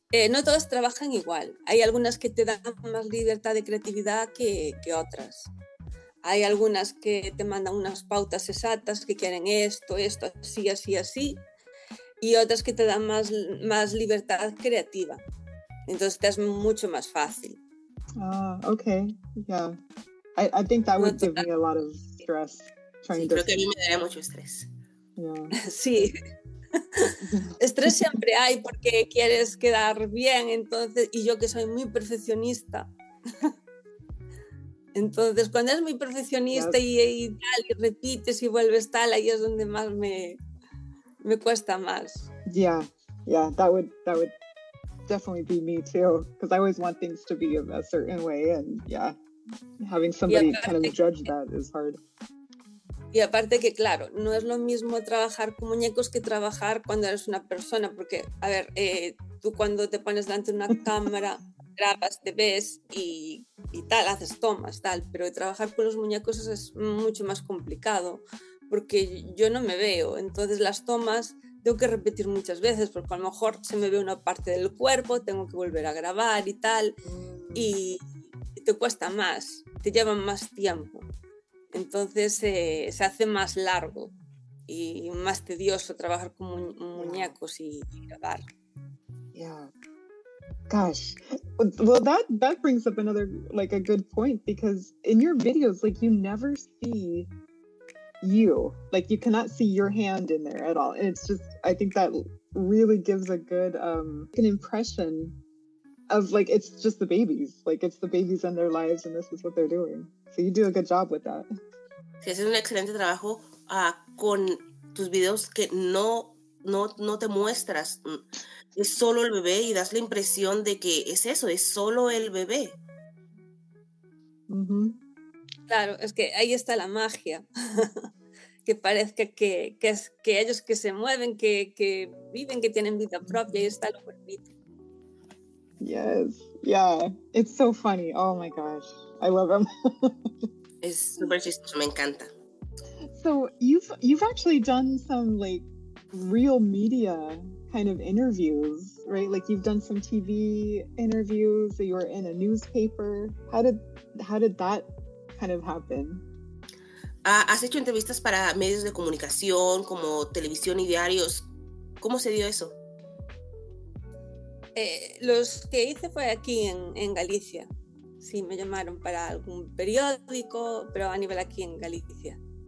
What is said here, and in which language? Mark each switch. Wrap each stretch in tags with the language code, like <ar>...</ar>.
<es>No todas trabajan igual. Hay algunas que te dan más libertad de creatividad que otras. Hay algunas que te mandan unas pautas exactas, que quieren esto, así. Y otras que te dan más libertad creativa. Entonces te es mucho más fácil.</es> <en>Okay. Yeah. I think that would give me a lot of stress.</en> <es>Sí, creo que a mí me daría mucho estrés. Yeah. Sí. Estrés siempre hay porque quieres quedar bien, entonces, y yo que soy muy perfeccionista. Entonces, cuando eres muy perfeccionista y tal, y repites y vuelves tal, ahí es donde más me cuesta más.</es> <en>Yeah, that would definitely be me too, because I always want things to be of a certain way, and yeah, having somebody kind of judge that is hard.</en> <es>Y aparte que, claro, no es lo mismo trabajar con muñecos que trabajar cuando eres una persona. Porque, a ver, tú cuando te pones delante de una cámara, grabas, te ves y tal, haces tomas, tal. Pero trabajar con los muñecos es mucho más complicado porque yo no me veo. Entonces las tomas tengo que repetir muchas veces porque a lo mejor se me ve una parte del cuerpo, tengo que volver a grabar y tal. Y te cuesta más, te lleva más tiempo. Entonces se hace más largo y más tedioso trabajar con muñecos y grabar.</es> <en>Yeah. Gosh. Well, that brings up another, like, a good point, because in your videos, like, you never see you. Like, you cannot see your hand in there at all. And it's just, I think that really gives a good an impression of, like, it's just the babies. Like, it's the babies and their lives, and this is what they're doing. So you do a good job with that.</en> <es>Sí, haces un excelente trabajo con tus videos que no te muestras. Es solo el bebé y das la impresión de que es eso, es solo el bebé. Mm-hmm. Claro, es que ahí está la magia. Que parezca que ellos que se mueven, que viven, que tienen vida propia, y está lo bonito.</es> <en>Yes, yeah, it's so funny. Oh my gosh, I love them.</en> <es>Es super chistoso, me encanta.</es> <en>So you've actually done some, like, real media kind of interviews, right? Like, you've done some TV interviews, you were in a newspaper. How did that kind of happen?</en> <es>¿Has hecho entrevistas para medios de comunicación como televisión y diarios? ¿Cómo se dio eso? Los que hice fue aquí en Galicia. Sí, me llamaron para algún periódico, pero a nivel aquí en Galicia.</es>